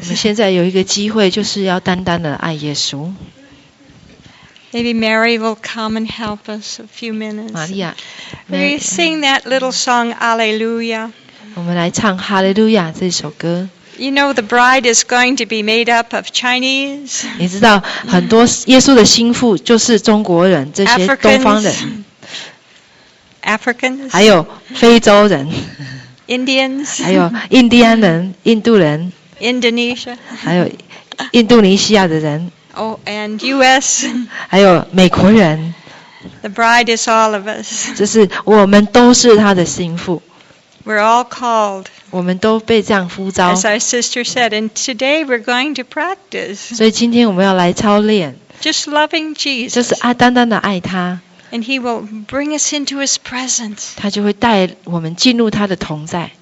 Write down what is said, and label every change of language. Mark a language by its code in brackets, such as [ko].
[zh] 我们现在有一个机会，就是要单单的爱耶稣。 [en] Maybe Mary will come and help us a few minutes. [zh] 玛利亚 [en] ，We sing that little song, Alleluia. [zh] 我们来唱《哈利路亚》这首歌。 [en] You know the bride is going to be made up of Chinese. [zh] 你知道很多耶稣的心腹就是中国人，这些东方人。 [en] Africans. [zh] 还有非洲人。 [en] Indians, [zh] 还有印第安人、印度人 [en] ，Indonesia, [zh] 还有印度尼西亚的人 [en] ，Oh, and U.S. [zh] 还有美国人 [en] ，The bride is all of us. [zh] 就是我们都是他的心腹。 [en] We're all called. [zh] 我们都被这样呼召。 [en] As our sister said, and today we're going to practice. [zh] 所以今天我们要来操练。 [en] Just loving Jesus. [zh] 就是爱，单单的爱他。 [en] And he will bring us into his presence. [zh] 他就会带我们进入他的同在。